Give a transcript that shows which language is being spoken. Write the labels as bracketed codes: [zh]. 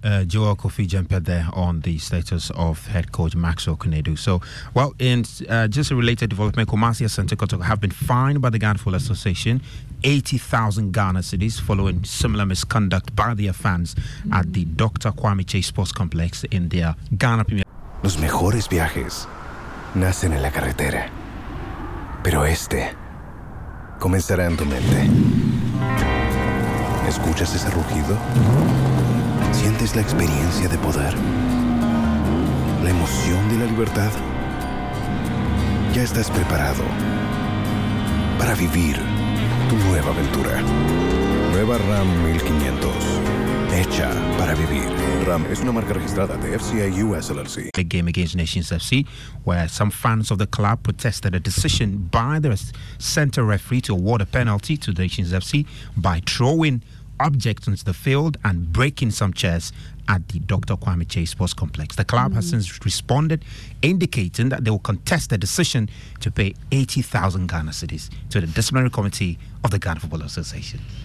[en] Joel Kofi Jempe there on the status of head coach Maxo Kanedu. So, well, in just a related development, Kumasi Asante Kotoko have been fined by the Ghana Football Association 80,000 Ghana cedis following similar misconduct by their fans at the Dr. Kwame Chase Sports Complex in their Ghana Premier. [es] Los mejores viajes nacen en la carretera, pero este comenzará en tu mente. ¿Escuchas ese rugido? ¿Sientes la experiencia de poder? ¿La emoción de la libertad? Ya estás preparado para vivir tu nueva aventura. Nueva Ram 1500. Hecha para vivir. Ram es una marca registrada de FCA US LLC. [en] Big game against Nations FC, where some fans of the club protested a decision by the center referee to award a penalty to Nations FC by throwing objects into the field and breaking some chairs at the Dr. Kwame Chase Sports Complex. The club has since responded, indicating that they will contest the decision to pay 80,000 Ghana cedis to the disciplinary committee of the Ghana Football Association.